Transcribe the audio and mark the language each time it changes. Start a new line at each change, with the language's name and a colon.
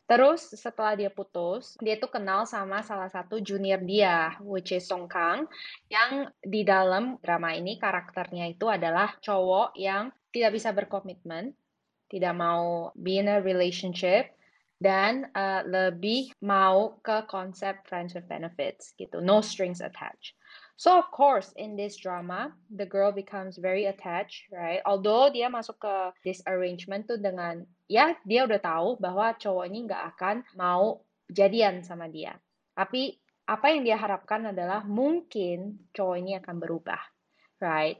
Indonesian: Terus setelah dia putus, dia tuh kenal sama salah satu junior dia, which is Song Kang, yang di dalam drama ini karakternya itu adalah cowok yang tidak bisa berkomitmen, tidak mau
English: be in a relationship,
Indonesian: dan lebih mau ke konsep friends with benefits gitu,
English: no strings attached. So of course in this drama the girl becomes very attached, right?
Indonesian: Although dia masuk ke
English: this arrangement
Indonesian: tuh dengan ya dia udah tahu bahwa cowoknya nggak akan mau jadian sama dia, tapi apa yang dia harapkan adalah mungkin cowoknya akan berubah, right?